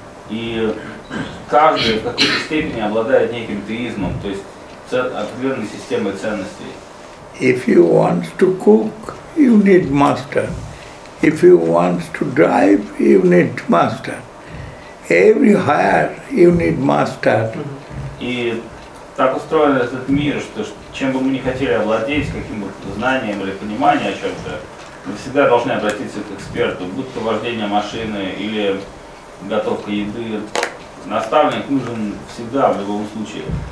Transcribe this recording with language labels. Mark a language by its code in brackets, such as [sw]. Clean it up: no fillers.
[ru] И каждый в какой-то степени обладает неким теизмом, то есть определенной системой ценностей. [en] If you want to cook, you need master. If you want to drive, you need master. Every higher you need master. [ru] И так устроен этот мир, что чем бы мы ни хотели овладеть, каким бы знанием или пониманием о чем-то, мы всегда должны обратиться к эксперту, будь то вождение машины или готовка еды. Наставник нужен всегда, в любом случае.